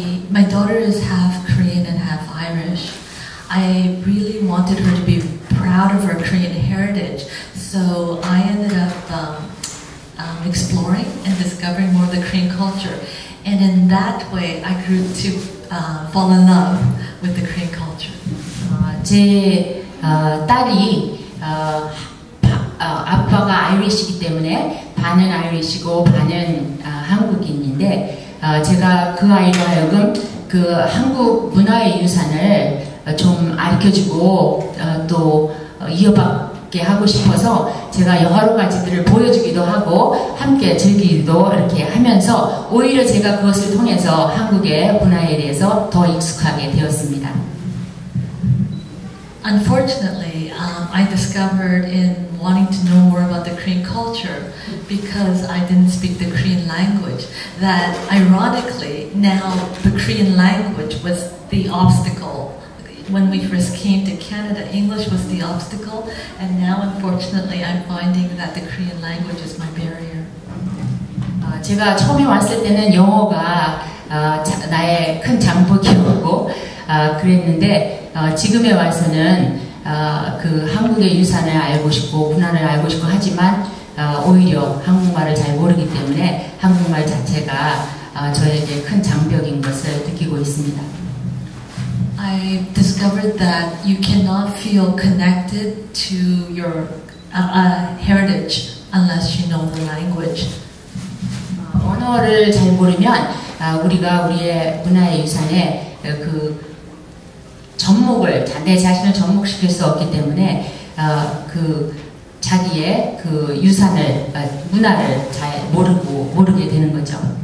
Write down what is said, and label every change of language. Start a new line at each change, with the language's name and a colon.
English: My daughter is half Korean and half Irish. I really wanted her to be proud of her Korean heritage. So I ended up exploring and discovering more of the Korean culture. And in that way, I grew to fall in love with the Korean culture.
Korean: 제 딸이 아빠가 아이리시이기 때문에 반은 아이리시고 반은 한국인인데 제가 그 아이로 하여금 그 한국 문화의 유산을 좀 알려주고 또 이어받게 하고 싶어서 제가 여러 가지들을 보여주기도 하고 함께 즐기기도 이렇게 하면서 오히려 제가 그것을 통해서 한국의 문화에 대해서 더 익숙하게 되었습니다.
English: Unfortunately, I discovered in wanting to know more about the Korean culture because I didn't speak the Korean language that ironically now the Korean language was the obstacle when we first came to Canada, English was the obstacle, and now unfortunately I'm finding that the Korean language is my barrier.
Korean: 제가 처음에 왔을 때는 영어가 나의 큰 장벽이었고 그랬는데 지금에 와서는 그 한국의 유산을 알고 싶고 문화를 알고 싶고 하지만 오히려 한국말을 잘 모르기 때문에 한국말 자체가 저에게 큰 장벽인 것을 느끼고 있습니다.
English: I discovered that you cannot feel connected to your heritage unless you know the language.
Korean: 언어를 잘 모르면 우리가 우리의 문화의 유산에 그 접목을 내 자신을 접목시킬 수 없기 때문에 그 자기의 그 유산을 문화를 잘 모르게 되는 거죠.